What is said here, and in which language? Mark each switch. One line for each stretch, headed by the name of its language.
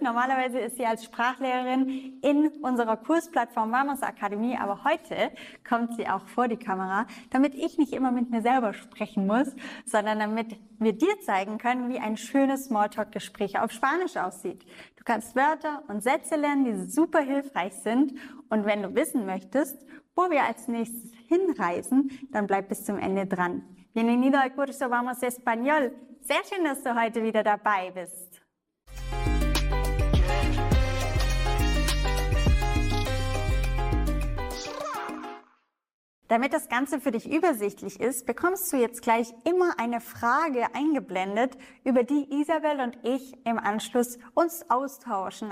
German: Normalerweise ist sie als Sprachlehrerin in unserer Kursplattform Vamos Akademie, aber heute kommt sie auch vor die Kamera, damit ich nicht immer mit mir selber sprechen muss, sondern damit wir dir zeigen können, wie ein schönes Smalltalk-Gespräch auf Spanisch aussieht. Du kannst Wörter und Sätze lernen, die super hilfreich sind. Und wenn du wissen möchtest, wo wir als nächstes hinreisen, dann bleib bis zum Ende dran.
Spanish: Bienvenido al curso Vamos Español.
German: Sehr schön, dass du heute wieder dabei bist. Damit das Ganze für dich übersichtlich ist, bekommst du jetzt gleich immer eine Frage eingeblendet, über die Isabel und ich im Anschluss uns austauschen.